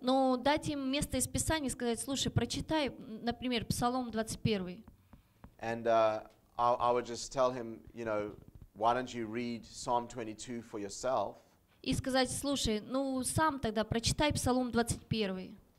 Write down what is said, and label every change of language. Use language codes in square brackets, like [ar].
[ru] Но дать им место из Писания, сказать, слушай, прочитай, например, Псалом 21. [en] And I would just tell him, you know, why don't you read Psalm 22 for yourself? [ru] И сказать, слушай, ну сам тогда прочитай Псалом 21.